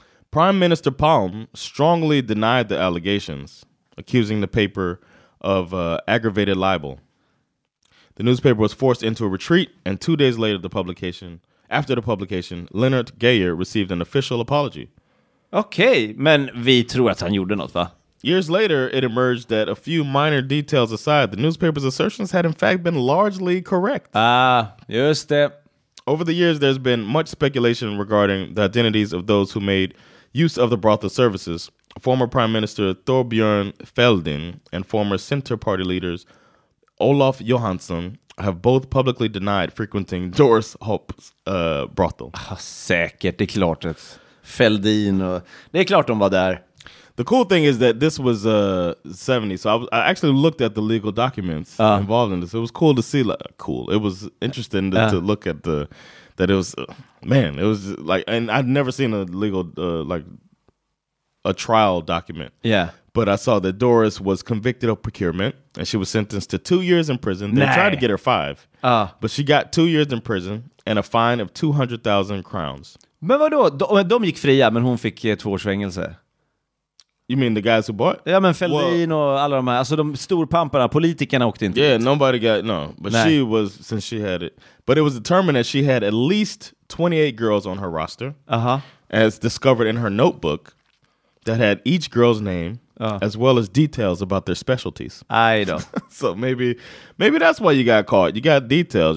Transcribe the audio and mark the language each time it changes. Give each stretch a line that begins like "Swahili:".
English: Prime Minister Palm strongly denied the allegations, accusing the paper of aggravated libel. The newspaper was forced into a retreat, and 2 days later, after the publication, Lennart Geijer received an official apology.
Swedish: Okay, men vi tror att han gjorde något, va?
English: Years later, it emerged that a few minor details aside, the newspaper's assertions had in fact been largely correct.
Swedish: Ah, just det.
English: Over the years, there's been much speculation regarding the identities of those who made use of the brothel services. Former Prime Minister Thorbjörn Fälldin and former Center Party leaders Olof Johansson have both publicly denied frequenting Doris Hopps brothel.
Swedish: Säkert, det är klart att Fälldin och det är klart de var där.
English: The cool thing is that this was 70, so I actually looked at the legal documents involved in this. It was cool to see, like, cool. It was interesting to look at the, that it was, man, it was like, and I'd never seen a legal, like, a trial document. Yeah. But I saw that Doris was convicted of procurement, and she was sentenced to 2 years in prison. They tried to get her 5, but she got 2 years in prison and a fine of 200,000 crowns.
Swedish: Men vadå? De gick fria, men hon fick 2 års fängelse.
English: You mean the guys who bought?
Swedish: Ja, men Fälldin och alla de här. Alltså de storpamparna, politikerna åkte inte.
English: Yeah, nobody got, no. But she was, since she had it. But it was determined that she had at least 28 girls on her roster. Uh-huh. As discovered in her notebook that had each girl's name as well as details about their specialties. I know. So maybe that's why you got caught. You got details.